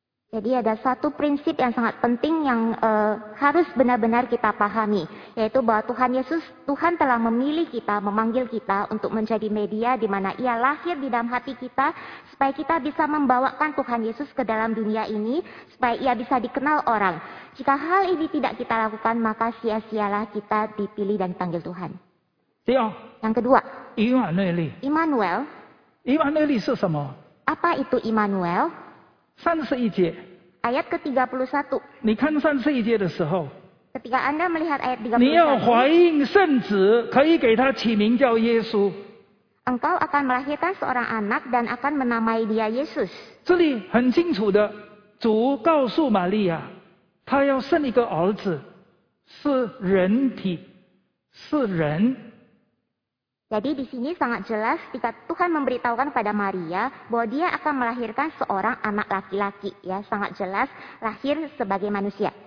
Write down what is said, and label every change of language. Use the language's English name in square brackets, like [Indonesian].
[Indonesian] Jadi ada satu prinsip yang sangat penting yang harus benar-benar kita pahami, yaitu bahwa Tuhan Yesus, Tuhan telah memilih kita, memanggil kita untuk menjadi media di mana Ia lahir di dalam hati kita, supaya kita bisa membawakan Tuhan Yesus ke dalam dunia ini, supaya Ia bisa dikenal orang. Jika hal ini tidak kita lakukan, maka sia-sialah kita dipilih dan dipanggil Tuhan. Yang kedua, Immanuel. [Chinese] Immanuel 是什么? [Indonesian] Apa itu Immanuel? [Chinese] 31节. [Indonesian] Ayat ke-31. [Chinese] 你看31节的时候, [Indonesian] ketika Anda melihat ayat 31, [Chinese] 你要怀孕圣子, 可以给他起名叫耶稣. [Indonesian] Engkau akan melahirkan seorang anak dan akan menamai dia Yesus. [Chinese] 这里很清楚的, 主告诉玛利亚, 他要生一个儿子, 是人体, 是人. [Indonesian] Jadi di sini sangat jelas ketika Tuhan memberitahukan kepada Maria bahwa dia akan melahirkan seorang anak laki-laki. Ya, sangat jelas lahir sebagai manusia.